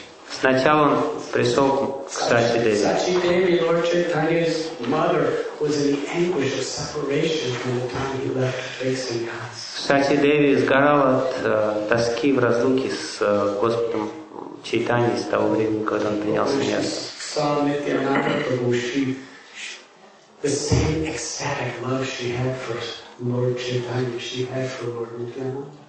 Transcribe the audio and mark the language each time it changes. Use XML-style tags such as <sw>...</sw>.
<ru>Сначала он пришел к Сачи Деви.</ru> <en>Сачи Деви, Lord Chaitanya's mother, was in the anguish of separation from the time he left Vaisanyas.</en> <ru>Сачи Деви сгорал от тоски в разлуке с Господом Чайтаньей с того времени, когда он принял санньяс.</ru> <en>She saw Nityananda Prabhu, the same ecstatic love she had for Lord Chaitanya, she had for Lord Nityananda.</en>